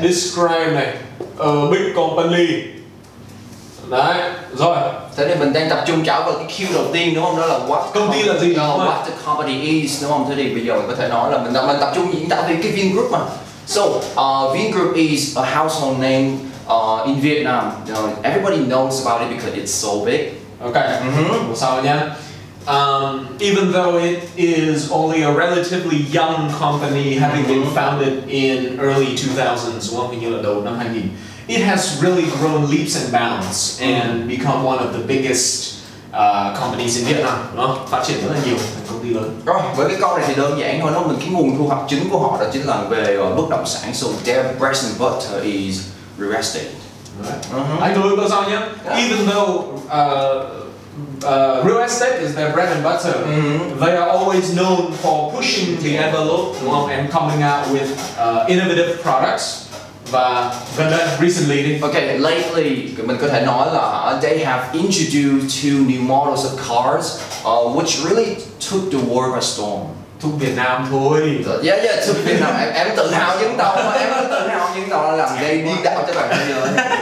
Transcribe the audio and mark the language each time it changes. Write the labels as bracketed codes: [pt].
[en] Describe này. A big company. [vi] Đấy, rồi. Thế thì mình đang tập trung trả vào cái cue đầu tiên đúng không? Đó là what công ty là gì? [en] What the company is [vi] đúng không? Thế thì bây giờ mình có thể nói là mình tập trung diễn tả về cái Vingroup mà. [en] So, Vingroup is a household name in Vietnam. Everybody knows about it because it's so big. [vi] Okay. Sao nhá? [en] Even though it is only a relatively young company, having been founded in early 2000s, well, we knew it though, not hanging, it has really grown leaps and bounds and become one of the biggest companies in Vietnam. [vi] Nó phát triển rất là nhiều, công ty lớn. Rồi, với cái câu này thì đơn giản thôi, nó mình cái nguồn thu nhập chính của họ đó chính là về bất động sản. [en] So their bread and butter is real estate. [vi] Anh nói có sao nhá? [en] Even though real estate is their bread and butter. Mm-hmm. They are always known for pushing the envelope and coming out with innovative products. But then recently, okay, lately, [vi] mình có thể nói là [en] they have introduced two new models of cars, which really took the world by storm. [vi] Thuộc Việt Nam thôi. [en] Yeah, yeah, [vi] thuộc Việt Nam. Em tự hào dẫn đầu mà em tự hào dẫn đầu là làm gây điên đảo cho bạn bây giờ.